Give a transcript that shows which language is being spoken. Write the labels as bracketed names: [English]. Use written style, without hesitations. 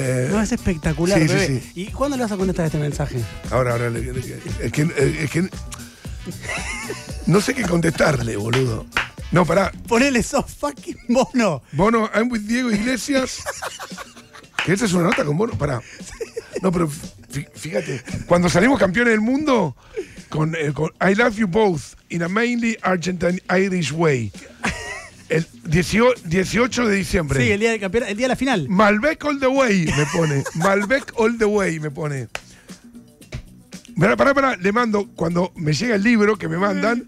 [Spanish] No, es espectacular, sí, bebé. Sí, sí. ¿Y cuándo le vas a contestar este mensaje? Ahora. Es que no sé qué contestarle, boludo. No, pará. Ponele, sos fucking Bono. [English] Bono, I'm with Diego Iglesias. [Spanish] ¿Que esta es una nota con Bono? Pará. No, pero fíjate. Cuando salimos campeones del mundo... [English] Con I love you both in a mainly Argentine Irish way. [Spanish] El 18 de diciembre. Sí, el día del campeonato, el día de la final. [English] Malbec all the way, [Spanish] me pone. [English] Malbec all the way, me pone. [Spanish] Pará, le mando cuando me llega el libro que me mandan.